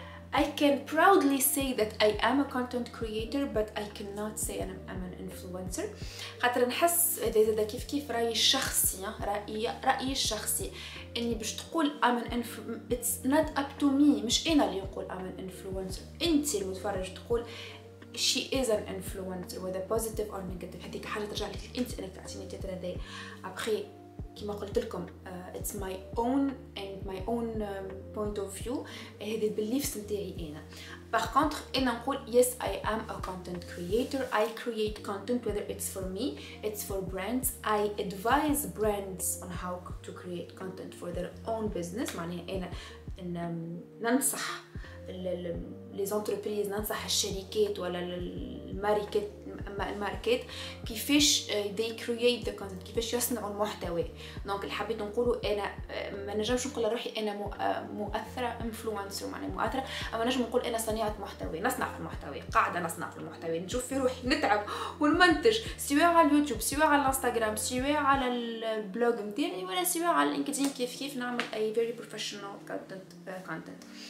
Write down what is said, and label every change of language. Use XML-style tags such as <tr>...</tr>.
<en>I can proudly say that I am a content creator, but I cannot say I'm an influencer.</en> <ar>خاطر نحس إذا كيف رأيي الشخصي، رأيي الشخصي إني باش تقول</ar> <en>I'm an influencer. It's not up to me،</en> <ar>مش أنا اللي يقول</ar> <en>I'm an influencer.</en> <ar>أنت المتفرج تقول</ar> <en>she is an influencer whether positive or negative.</en> <ar>هذيك حاجة ترجع لك أنت إنك تعطيني تترى ذي. أبخي كما قلت لكم</ar> <en>it's my own and my own point of view،</en> <ar>هذه beliefs نتاعي انا.</ar> <fr>par contre</fr> <ar>انا نقول</ar> <en>yes I am a content creator. I create content whether it's for me, it's for brands. I advise brands on how to create content for their own business.</en> <ar>معناها انا ننصح</ar> <fr>لي زونتربريز</fr> <ar>ننصح الشركات ولا الماركت الماركت كيفاش</ar> <en>they create the content</en> <ar>كيفاش يصنعوا المحتوى. دونك اللي حبيت نقوله انا ما نجمش نقول لروحي انا مؤثره انفلونسر معناها مؤثره, اما نجم نقول انا صانعه محتوى نصنع في المحتوى قاعده نصنع في المحتوى نشوف في روحي نتعب والمنتج سواء على اليوتيوب سواء على الانستغرام سواء على البلوج نتاعي ولا سواء على لينكدين كيف كيف نعمل</ar> <en>A very professional content.</en>